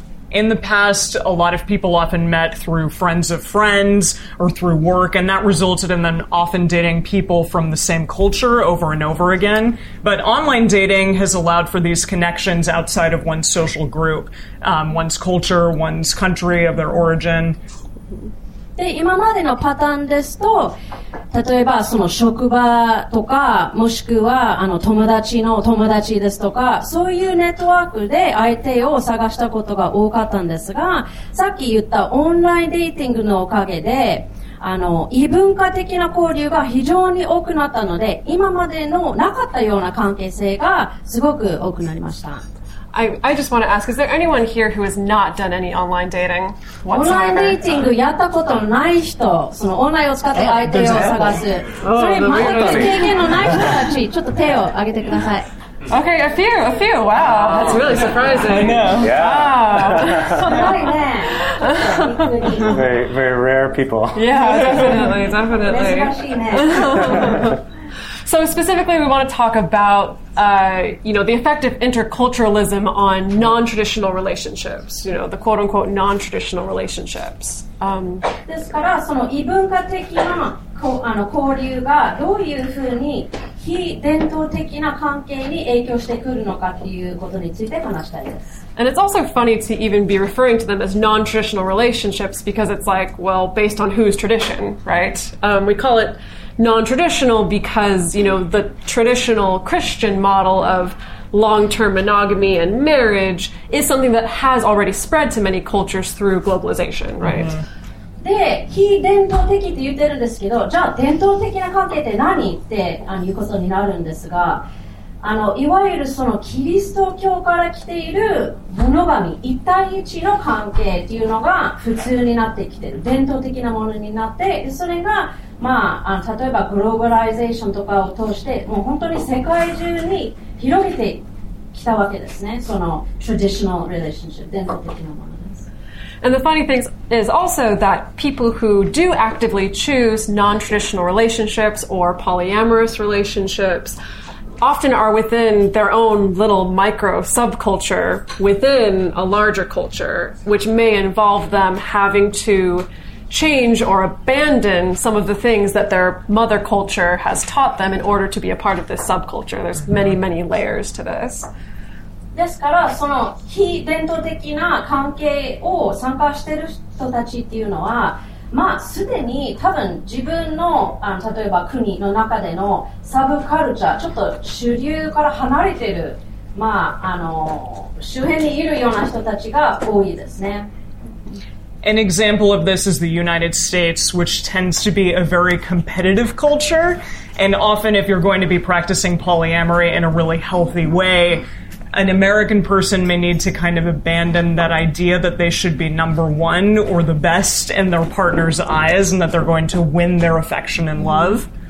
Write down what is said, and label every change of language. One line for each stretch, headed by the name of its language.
English: In the past, a lot of people often met through friends of friends or through work, and that resulted in them often dating people from the same culture over and over again. But online dating has allowed for these connections outside of one's social group, one's culture, one's country of their origin.
Japanese: で、今までのパターンですと、例えばその職場とか、もしくはあの友達の友達ですとか、そういうネットワークで相手を探したことが多かったんですが、さっき言ったオンラインデーティングのおかげで、あの異文化的な交流が非常に多くなったので、今までのなかったような関係性がすごく多くなりました。
English: I just want to ask, is there anyone here who has not done any online dating whatsoever?
Japanese: Online dating やったことない人、そのオンラインを使って相手を探す。それ全く経験のない人たち、ちょっと手を挙げてください。
English: Okay, a few. Wow, that's really surprising. I know. Yeah. Very, very rare people. Yeah, definitely. So specifically, we want to talk about, you know, the effect of interculturalism on non-traditional relationships, you know, the quote-unquote non-traditional relationships.
Japanese: ですから、その異文化的なあの交流がどういうふうに非伝統的な関係に影響してくるのかということについて話したいです。
English: And it's also funny to even be referring to them as non-traditional relationships because it's like, well, based on whose tradition, right? We call it non-traditional because, you know, the traditional Christian model of long-term monogamy and marriage is something that has already spread to many cultures through globalization, right? Mm-hmm.
Japanese: で、非伝統的って言ってるんですけど、じゃあ伝統的な関係って何っていうことになるんですが、あのいわゆるそのキリスト教から来ているモノガミ、一対一の関係っていうのが普通になってきてる、伝統的なものになって、でそれが、まあ、あの例えばグローバライゼーションとかを通して、もう本当に世界中に広げてきたわけですね、その
English: traditional relationship、
Japanese: 伝統的なもの。
English: And the funny thing is also that people who do actively choose non-traditional relationships or polyamorous relationships often are within their own little micro subculture within a larger culture, which may involve them having to change or abandon some of the things that their mother culture has taught them in order to be a part of this subculture. There's many, many layers to this.
Japanese: ですからその非伝統的な関係を参加している人たちっていうのは、まあ、すでに多分自分 の, あの例えば国の中でのサブカルチャーちょっと主流から離れている、まあ、あの周辺にいるような人たちが多いですね。
English: An example of this is the United States, which tends to be a very competitive culture, and often if you're going to be practicing polyamory in a really healthy wayAn American person may need to kind of abandon that idea that they should be number one or the best in their partner's eyes and that they're going to win their affection and love.